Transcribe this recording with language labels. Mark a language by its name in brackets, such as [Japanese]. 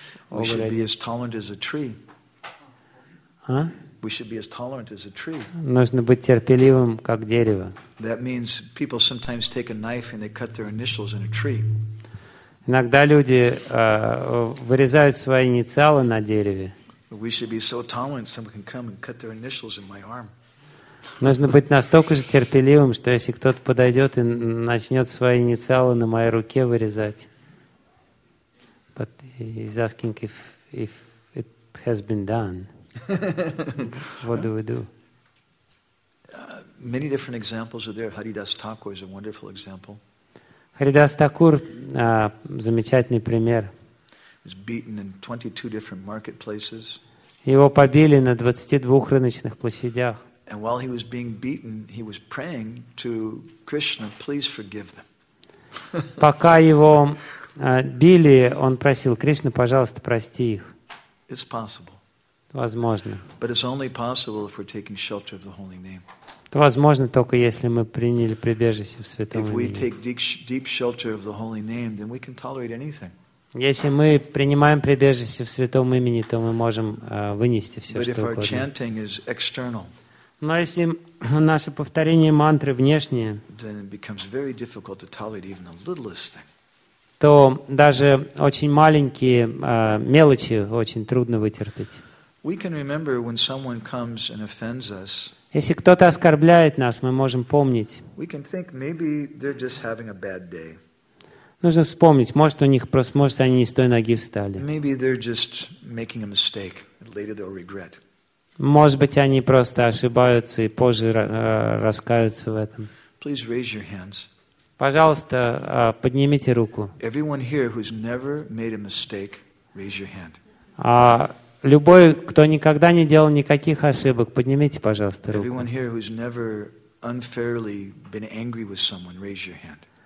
[English] we should be as tolerant as a tree. Huh? We should be as tolerant as a tree. [Russian] Нужно быть терпеливым, как дерево. [English] That means people sometimes take a knife and they cut their initials in a tree. [Russian] Иногда люди вырезают свои инициалы на дереве. [English] We should be so tolerant someone can come and cut their initials in my arm. [Russian] Нужно быть настолько же терпеливым, что если кто-то подойдет и начнет свои инициалы на моей руке вырезать. [English] But he's asking if it has been done. What do we do? Many different examples are there. Haridas Thakur is a wonderful example. [Russian] Haridas Thakur замечательный пример. [English] He's beaten in 22 different marketplaces. [Russian] Его побили на 22 рыночных площадях. [English] And while he was being beaten, he was praying to Krishna, please forgive them. [Russian] Пока его били, он просил Кришну, пожалуйста, прости их. [English] It's possible. [Russian] Возможно. [English] But it's only possible if we're taking shelter of the holy name. [Russian] Это возможно только если мы приняли прибежище в святом имени. [English] If we take deep shelter of the holy name, then we can tolerate anything. [Russian] Если мы принимаем прибежище в святом имени, то мы можем вынести все, что угодно. [English] But if our chanting is external. [Russian] Но если наше повторение мантры внешнее, [English] then it becomes very difficult to tolerate even the littlest thing. [Russian] То даже очень маленькие мелочи очень трудно вытерпеть. [English] We can remember when someone comes and offends us. [Russian] Если кто-то оскорбляет нас, мы можем помнить. [English] We can think maybe they're just having a bad day. [Russian] Нужно вспомнить, может у них просто, может они не с той ноги встали. [English] Maybe they're just making a mistake. Later they'll regret. [Russian] Может быть, они просто ошибаются и позже раскаются в этом. [English] Please raise your hands. [Russian] Пожалуйста, поднимите руку. [English] Everyone here who's never made a mistake, raise your hand. [Russian] Любой, кто никогда не делал никаких ошибок, поднимите, пожалуйста, руку. [English] Everyone here who's never unfairly been angry with someone, raise your hand.